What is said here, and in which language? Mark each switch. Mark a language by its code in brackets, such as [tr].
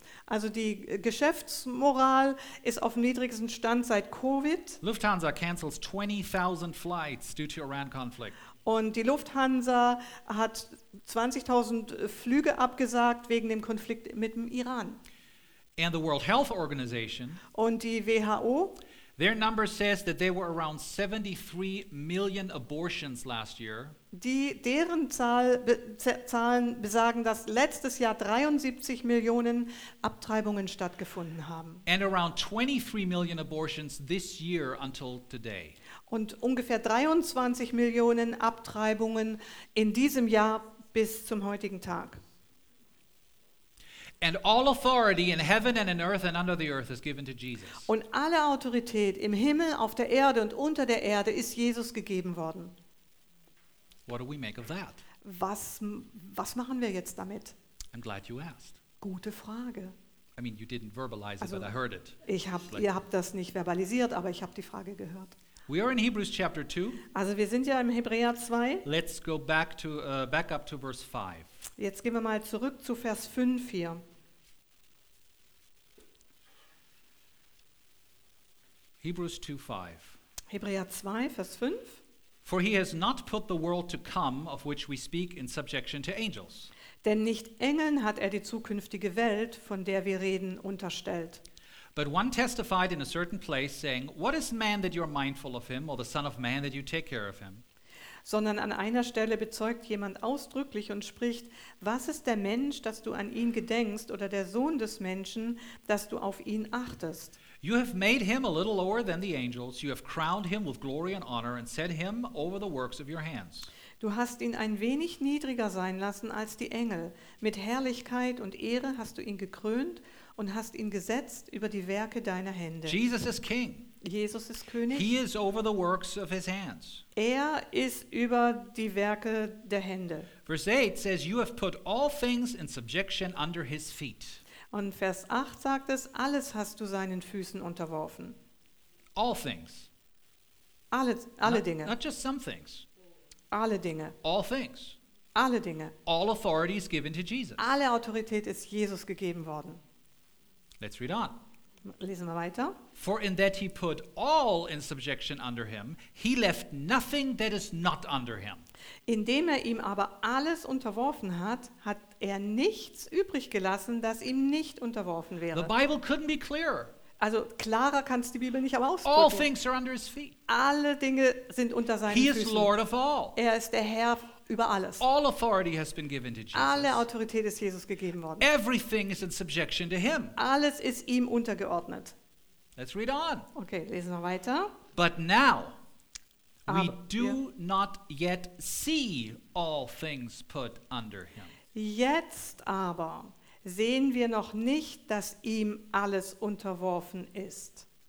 [de] Also die Geschäftsmoral ist auf dem niedrigsten Stand seit Covid. [en] Lufthansa cancels 20,000 flights due to Iran conflict. [de] Und die Lufthansa hat 20,000 Flüge abgesagt wegen dem Konflikt mit dem Iran. [en] And the World Health Organization. [de] Und die WHO. [en] Their number says that there were around 73 million abortions last year. [de] Deren Zahlen besagen, dass letztes Jahr 73 Millionen Abtreibungen stattgefunden haben. [en] And around 23 million abortions this year until today. [de] Und ungefähr 23 Millionen Abtreibungen in diesem Jahr bis zum heutigen Tag. [en] And all authority in heaven and in earth and under the earth is given to Jesus. [de] Und alle Autorität im Himmel, auf der Erde und unter der Erde ist Jesus gegeben worden. [en] What do we make of that? [de] Was machen wir jetzt damit? [en] I'm glad you asked. [de] Gute Frage. [en] I mean, you didn't verbalize it, but I heard it. [de] Ihr habt das nicht verbalisiert, aber ich habe die Frage gehört. [en] We are in Hebrews chapter 2. [de] Also wir sind ja im Hebräer 2. [en] Let's go back up to verse 5. [de] Jetzt gehen wir mal zurück zu Vers 5 hier. [en] Hebrews 2:5. [de] Hebräer 2, Vers 5. [en] For he has not put the world to come, of which we speak, in subjection to angels. [de] Denn nicht Engeln hat er die zukünftige Welt, von der wir reden, unterstellt. [en] But one testified in a certain place, saying, What is man that you are mindful of him, or the son of man that you take care of him? [de] Sondern an einer Stelle bezeugt jemand ausdrücklich und spricht, was ist der Mensch, dass du an ihn gedenkst, oder der Sohn des Menschen, dass du auf ihn achtest? [en] You have made him a little lower than the angels, you have crowned him with glory and honor and set him over the works of your hands. [de] Du hast ihn ein wenig niedriger sein lassen als die Engel. Mit Herrlichkeit und Ehre hast du ihn gekrönt und hast ihn gesetzt über die Werke deiner Hände. Jesus ist King. Jesus ist König. [en] He is over the works of his hands. [de] Er ist über die Werke der Hände. [en] Verse 8 says, you have put all things in subjection under his feet. [de] Und Vers 8 sagt es, alles hast du seinen Füßen unterworfen. [en] All things. [de] Alle Dinge. [en] Not just some things. [de] Alle Dinge. [en] All things. [de] Alle Dinge. [en] All authority is given to Jesus. [de] Alle Autorität ist Jesus gegeben worden. [en] Let's read on. [de] Lesen wir weiter. [en] For in that he put all in subjection under him, he left nothing that is not under him. [de] Indem er ihm aber alles unterworfen hat, hat er nichts übrig gelassen, das ihm nicht unterworfen wäre. [en] The Bible couldn't be clearer. [de] Also klarer kann es die Bibel nicht aber ausdrücken. [en] All things are under his feet. [de] Alle Dinge sind unter seinen Füßen. [en] He is Lord of all. [de] Er ist der Herr über alles. [en] All authority has been given to Jesus. [de] Alle Autorität ist Jesus gegeben worden. [en] Everything is in subjection to him. [de] Alles ist ihm untergeordnet. [en] Let's read on. [de] Okay, lesen wir weiter. [en] But now we do not yet see all things put under him. [de] Jetzt aber sehen wir noch nicht, dass ihm alles unterworfen ist.